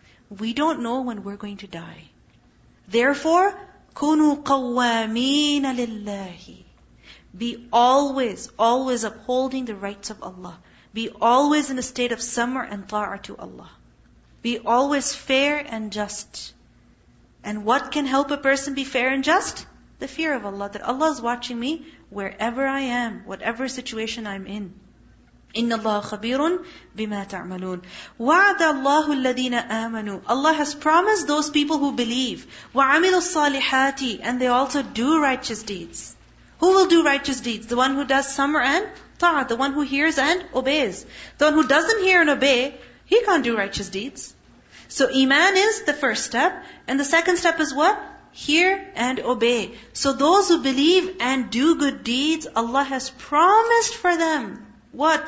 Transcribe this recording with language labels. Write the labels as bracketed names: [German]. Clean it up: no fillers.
[English] We don't know when we're going to die. Therefore, كُنُوا قَوَّامِينَ لِلَّهِ Be always, always upholding the rights of Allah. Be always in a state of samr and ta'ah to Allah. Be always fair and just. And what can help a person be fair and just? The fear of Allah, that Allah is watching me wherever I am, whatever situation I'm in. [Arabic] إِنَّ اللَّهَ خَبِيرٌ بِمَا تَعْمَلُونَ وَعَدَ اللَّهُ الَّذِينَ آمَنُوا Allah has promised those people who believe. [English] وَعَمِلُوا الصَّالِحَاتِ And they also do righteous deeds. Who will do righteous deeds? The one who does summer and ta'at. The one who hears and obeys. The one who doesn't hear and obey, he can't do righteous deeds. So iman is the first step. And the second step is what? Hear and obey. So those who believe and do good deeds, Allah has promised for them. What?